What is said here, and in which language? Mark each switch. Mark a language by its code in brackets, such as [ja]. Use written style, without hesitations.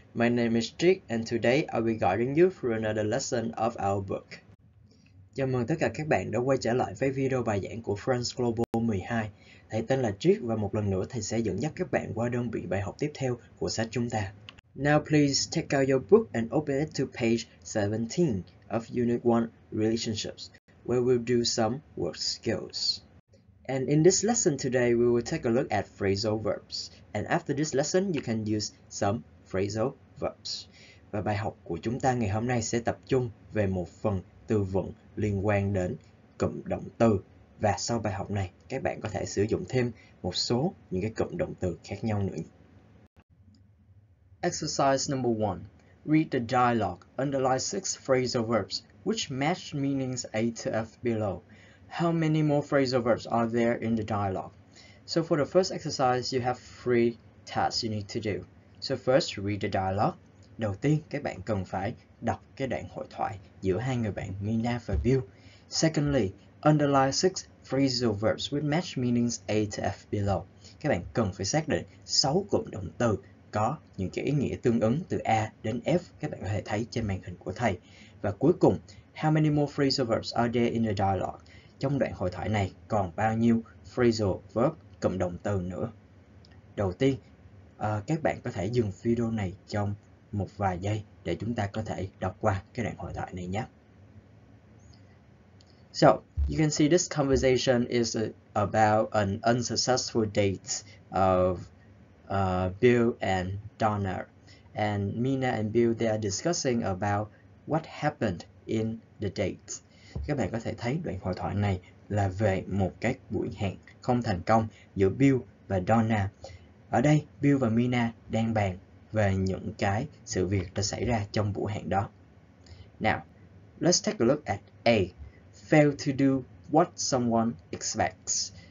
[en] My name is Jake and today I'll be guiding you through another lesson of our book. [vi] Chào mừng tất cả các bạn đã quay trở lại với video bài giảng của Run's Global 12. Thầy tên là Jake và một lần nữa thầy sẽ dẫn dắt các bạn qua đơn vị bài học tiếp theo của sách chúng ta. [en] Now please take out your book and open it to page 17 of Unit 1 Relationships, where we'll do some work skills. And in this lesson today, we will take a look at phrasal verbs. And after this lesson, you can use some phrasal verbs. [vi] Và bài học của chúng ta ngày hôm nay sẽ tập trung về một phần từ vựng liên quan đến cụm động từ. Và sau bài học này, các bạn có thể sử dụng thêm một số những cái cụm động từ khác nhau nữa. [en] Exercise number 1. Read the dialogue. Underline 6 phrasal verbs, which match meanings A to F below. How many more phrasal verbs are there in the dialogue? So for the first exercise, you have three tasks you need to do. So first, read the dialogue. [vi] Đầu tiên, các bạn cần phải đọc cái đoạn hội thoại giữa hai người bạn Mina và Bill. [en] Secondly, underline 6 phrasal verbs with match meanings A to F below. [vi] Các bạn cần phải xác định 6 cụm động từ có những cái ý nghĩa tương ứng từ A đến F. Các bạn có thể thấy trên màn hình của thầy. Và cuối cùng, [en] how many more phrasal verbs are there in the dialogue? [vi] Trong đoạn hội thoại này còn bao nhiêu phrasal verb cụm động từ nữa? Đầu tiên, các bạn có thể dừng video này trong một vài giây để chúng ta có thể đọc qua cái đoạn hội thoại này nhé. [en] So, you can see this conversation is about an unsuccessful date of Bill and Donna. And Mina and Bill, they are discussing about what happened in the date. [vi] Các bạn có thể thấy đoạn hội thoại này là về một cái buổi hẹn không thành công giữa Bill và Donna. Ở đây, Bill và Mina đang bàn về những cái sự việc đã xảy ra trong buổi hẹn đó. [en] Now, let's take a look at A. Fail to do what someone expects.